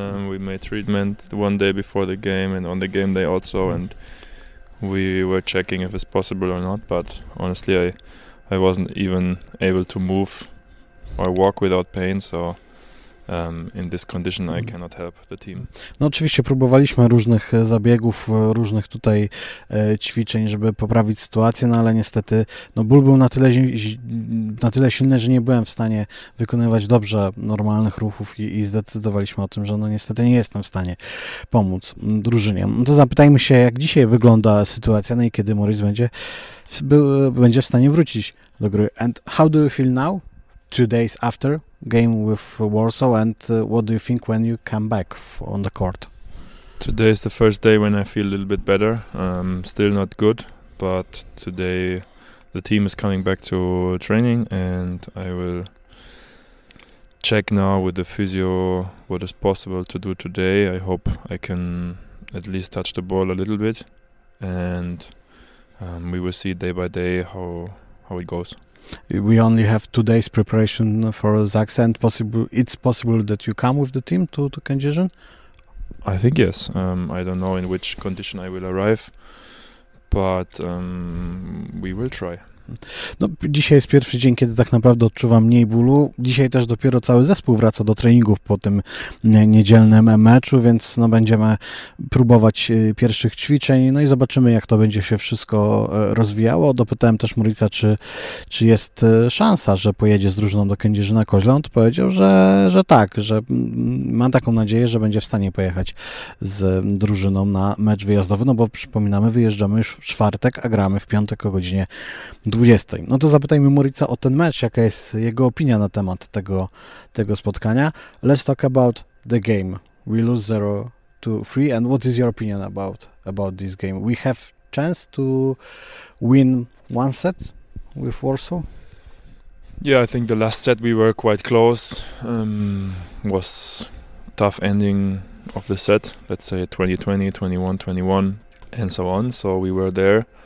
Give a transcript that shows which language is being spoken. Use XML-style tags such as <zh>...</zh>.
<en>We made treatment one day before the game and on the game day also, and we were checking if it's possible or not, but honestly I wasn't even able to move or walk without pain, so in this condition I cannot help the team.</en> <pl>No oczywiście próbowaliśmy różnych zabiegów, różnych tutaj ćwiczeń, żeby poprawić sytuację, no ale niestety no ból był na tyle silny, że nie byłem w stanie wykonywać dobrze normalnych ruchów i zdecydowaliśmy o tym, że no niestety nie jestem w stanie pomóc drużynie. No to zapytajmy się, jak dzisiaj wygląda sytuacja, no i kiedy Moritz będzie w stanie wrócić do gry.</pl> <en>And how do you feel now? 2 days after game with Warsaw, and what do you think when you come back on the court? Today is the first day when I feel a little bit better. Still not good, but today the team is coming back to training, and I will check now with the physio what is possible to do today. I hope I can at least touch the ball a little bit, and we will see day by day how it goes. We only have 2 days preparation for Sachsen. It's possible that you come with the team to Kędzierzyn? I think yes. I don't know in which condition I will arrive, but we will try.</en> <pl>No, dzisiaj jest pierwszy dzień, kiedy tak naprawdę odczuwam mniej bólu. Dzisiaj też dopiero cały zespół wraca do treningów po tym niedzielnym meczu, więc no, będziemy próbować pierwszych ćwiczeń, no i zobaczymy, jak to będzie się wszystko rozwijało. Dopytałem też Moritza, czy jest szansa, że pojedzie z drużyną do Kędzierzyna Koźle. On powiedział, że tak, że ma taką nadzieję, że będzie w stanie pojechać z drużyną na mecz wyjazdowy, no bo przypominamy, wyjeżdżamy już w czwartek, a gramy w piątek o godzinie 20. No to zapytajmy Moritza o ten mecz, jaka jest jego opinia na temat tego spotkania.</pl> <en>Let's talk about the game. We lose 0-3, and what is your opinion about this game? We have chance to win one set with Warsaw? Yeah, I think the last set we were quite close. Was tough ending of the set, let's say 20-20, 21-21, and so on, so we were there.</en>